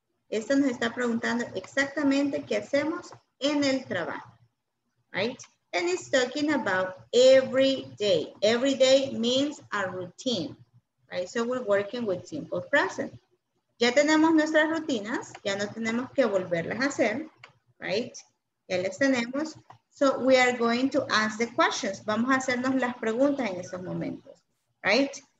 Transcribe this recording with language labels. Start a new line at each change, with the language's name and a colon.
Spanish: Esta nos está preguntando exactamente qué hacemos en el trabajo, right?
English: And it's talking about every day. Every day means a routine, right? So we're working with simple present.
Spanish: Ya tenemos nuestras rutinas, ya no tenemos que volverlas a hacer, right? Ya las tenemos.
English: So we are going to ask the questions.
Spanish: Vamos a hacernos las preguntas en esos momentos, right?